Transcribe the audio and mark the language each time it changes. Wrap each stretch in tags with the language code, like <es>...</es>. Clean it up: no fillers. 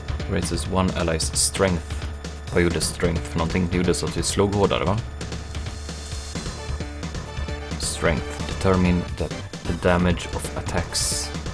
<en>Raises one ally's strength.</en> <sv>Vad gjorde strength för någonting? Det gjorde så att vi slog hårdare, va?</sv> <en>Strength. Determine the damage of attacks.</en>